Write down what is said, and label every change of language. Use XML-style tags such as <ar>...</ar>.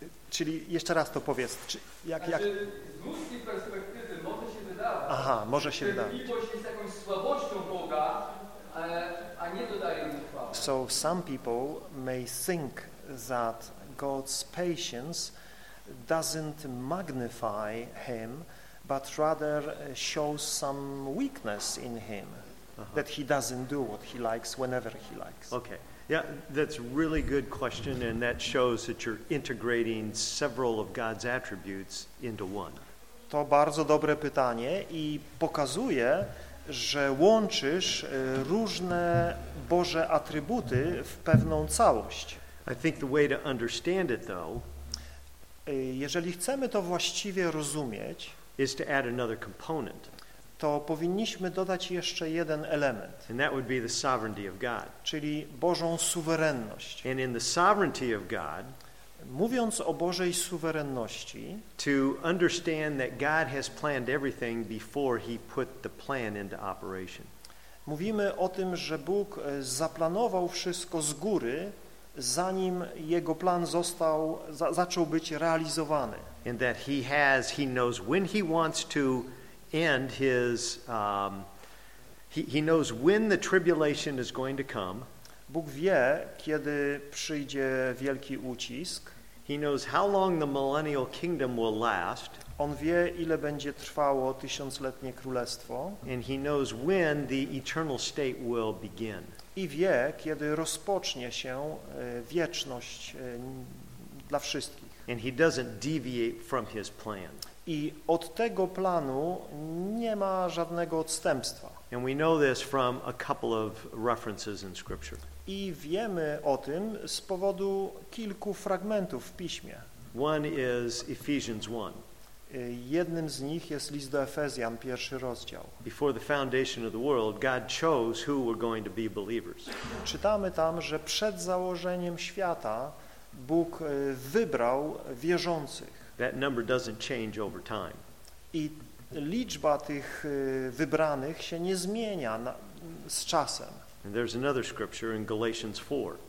<pl>Czyli jeszcze raz to powiedz. Z ludzkiej perspektywy może się wydawać. Aha, może się wydawać. Cierpliwość jest jakąś słabością Boga, a nie dodaje mu chwały.</pl> <en>So some people may think that God's patience doesn't magnify him, but rather shows some weakness in him, that he doesn't do what he likes whenever he likes. Okay. Yeah, that's a really good question, and that shows that you're integrating several of God's attributes into one.</en> <pl>To bardzo dobre pytanie i pokazuje, że łączysz różne Boże atrybuty w pewną całość.</pl> <en>I think the way to understand it though,</en> <pl>jeżeli chcemy to właściwie rozumieć,</pl> <en>is to add another component.</en> <pl>To powinniśmy dodać jeszcze jeden element.</pl> <en>And that would be the sovereignty of God.</en> <pl>Czyli Bożą suwerenność.</pl> <en>And in the sovereignty of God,</en> <pl>mówiąc o Bożej suwerenności,</pl> <en>to understand that God has planned everything before he put the plan into operation.</en> <pl>Mówimy o tym, że Bóg zaplanował wszystko z góry, zanim jego plan został zaczął być realizowany.</pl> <en>And that he knows when he wants to end his he knows when the tribulation is going to come.</en> <pl>Bóg wie, kiedy przyjdzie wielki ucisk.</pl> <en>He knows how long the millennial kingdom will last.</en> <pl>On wie, ile będzie trwało tysiącletnie królestwo.</pl> <en>And he knows when the eternal state will begin.</en> <pl>I wie, kiedy rozpocznie się wieczność dla wszystkich.</pl> <en>And he doesn't deviate from his plan.</en> <pl>I od tego planu nie ma żadnego odstępstwa.</pl> <en>And we know this from a couple of references in scripture.</en> <pl>I wiemy o tym z powodu kilku fragmentów w piśmie.</pl> <en>One is Ephesians 1.</en> <pl>Jednym z nich jest list do Efezjan, pierwszy rozdział.</pl> <en>Before the foundation of the world, God chose who were going to be believers.</en> <pl>Czytamy tam, że przed założeniem świata Bóg wybrał wierzących.</pl> <en>That number doesn't change over time.</en> <pl>I liczba tych wybranych się nie zmienia z czasem.</pl> <en>And there's another scripture in Galatians 4.</en>